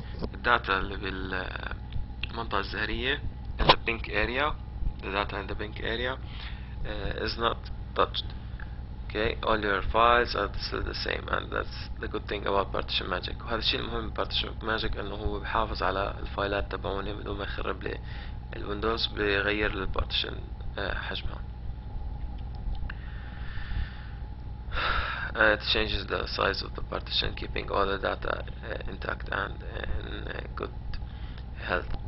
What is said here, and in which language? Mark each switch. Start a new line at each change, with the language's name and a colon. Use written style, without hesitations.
English: The data will in the pink area. The data in the pink area is not touched. Okay, all your files are still the same, and that's the good thing about partition magic.
Arabic: وهذا الشيء المهم بpartition magic إنه هو بحافظ على الفايلات تبعوني بدون ما يخرب لي الويندوز بغير للpartition حجمها.
English: It changes the size of the partition, keeping all the data intact and in good health.